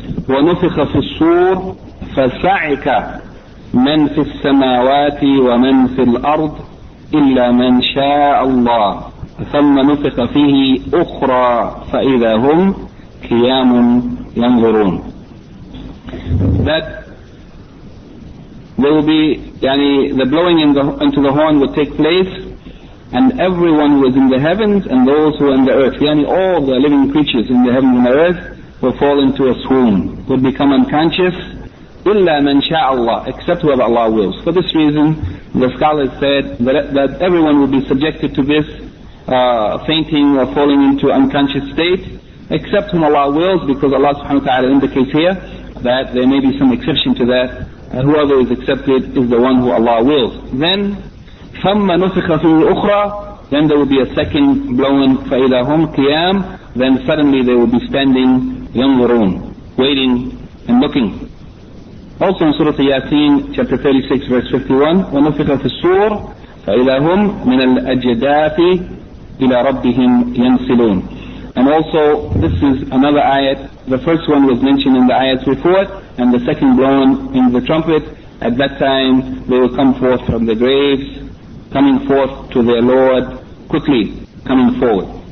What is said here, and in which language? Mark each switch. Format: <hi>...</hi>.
<ar>وَنُفِخَ فِي الصُّورِ فَسَعِكَ مَنْ فِي السَّمَاوَاتِ وَمَنْ فِي الْأَرْضِ إِلَّا مَنْ شَاءَ اللَّهِ ثُمَّ نُفِخَ فِيهِ أُخْرَى فَإِذَا هُمْ قِيَامٌ يَنْظُرُونَ.</ar> <en>That there will be, yani, the blowing into the horn will take place, and everyone who is in the heavens and those who are in the earth, yani all the living creatures in the heavens and the earth, will fall into a swoon, will become unconscious, illa man sha' Allah, except whoever Allah wills. For this reason, the scholars said that everyone will be subjected to this fainting or falling into unconscious state, except whom Allah wills, because Allah subhanahu wa ta'ala indicates here that there may be some exception to that. Whoever is accepted is the one who Allah wills. Then,</en> <ar>ثَمَّ نُفِخَ فِي الْأُخْرَى,</ar> <en>then there will be a second blowing,</en> <ar>فَإِلَى هُمْ قِيَامٌ,</ar> <en>then suddenly they will be standing, ينظرون, waiting and looking. Also in Surah Yasin, chapter 36, verse 51,</en> <ar>وَنُفِخَ فِي الصُّورِ فَإِلَى هُمْ مِنَ الْأَجْدَاثِ إِلَى رَبِّهِمْ يَنْسِلُونَ.</ar> <en>And also, this is another ayat. The first one was mentioned in the ayat before, and the second blown in the trumpet. At that time, they will come forth from the graves, coming forth to their Lord, quickly coming forward.</en>